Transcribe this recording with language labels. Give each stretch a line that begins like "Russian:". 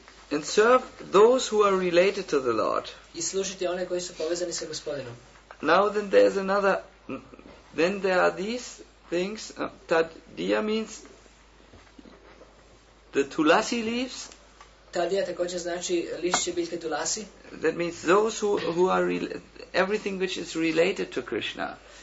English: And serve those who are related to the Lord.
Serbian: I služite one koji su povezani sa gospodinom.
English: Now then there's another then there are these things, tadiya means the tulasi leaves.
Serbian: Tadiya također znači lišće biljke tulasi.
English: That means those who are everything which is related to Krishna.